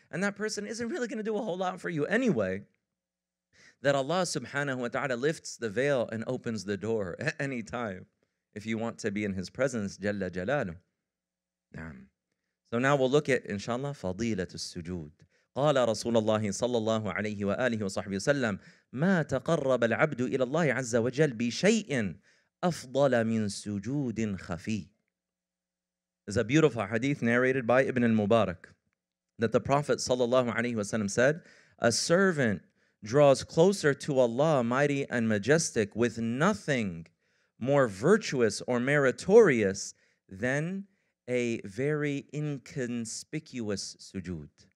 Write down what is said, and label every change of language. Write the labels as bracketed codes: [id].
[en] And that person isn't really going to do a whole lot for you anyway. That Allah subhanahu wa ta'ala lifts the veil and opens the door at any time if you want to be in His presence, Jalla Jalalu. Naam. So now we'll look at, inshallah, fadilatul sujood. [ar] قال رسول الله صلى الله عليه وآله وصحبه وسلم ما تقرب العبد إلى الله عز وجل بشيء أفضل من سجود خفي. [en] It's a beautiful hadith narrated by Ibn al-Mubarak that the Prophet صلى الله عليه وسلم said, a servant draws closer to Allah, mighty and majestic, with nothing more virtuous or meritorious than a very inconspicuous sujood.